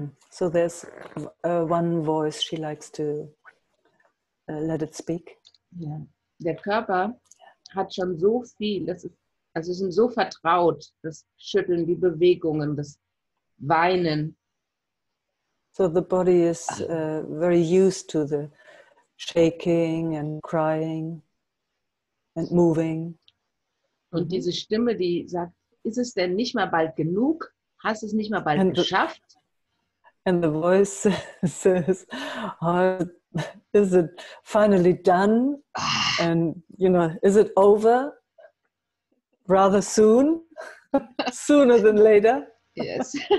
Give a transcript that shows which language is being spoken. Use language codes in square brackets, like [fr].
[en] So there's one voice she likes to let it speak. Yeah. [de] Der Körper hat schon so viel, das ist, also es ist so vertraut, das Schütteln, die Bewegungen, das Weinen. [en] So the body is very used to the shaking and crying and moving. [de] Und diese Stimme, die sagt, ist es denn nicht mal bald genug? Hast du es nicht mal bald and geschafft? [en] And the voice says, oh, is it finally done? And, you know, is it over? Rather soon? Sooner than later? Yes.